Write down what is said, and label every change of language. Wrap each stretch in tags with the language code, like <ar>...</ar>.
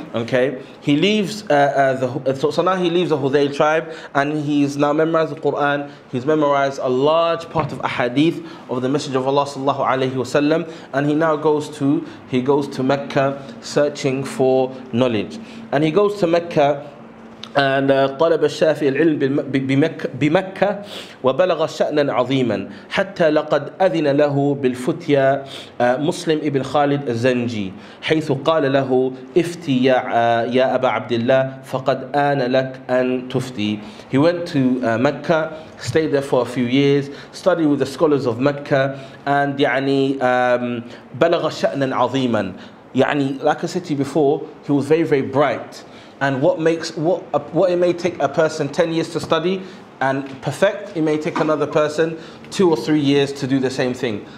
<en>Okay, he leaves he leaves the Hudayl tribe, and he's now memorized the Quran. He's memorized a large part of ahadith of the Messenger of Allah sallallahu alaihi wasallam, and he now goes to Mecca searching for knowledge, and he goes to Mecca.</en> <ar>And طلب الشافعي العلم بمكة وبلغ شأنا عظيما حتى لقد أذن له بالفتية مسلم ابن خالد الزنجي حيث قال له افتي يا أبا عبد الله فقد آن لك أن تفتي.</ar> <en>He went to Mecca, stayed there for a few years, studied with the scholars of Mecca, and</en> <ar>يعني بلغ شأنا عظيما يعني,</ar> <en>like I said to you before, he was very very bright. And what it may take a person 10 years to study and perfect, it may take another person 2 or 3 years to do the same thing.</en>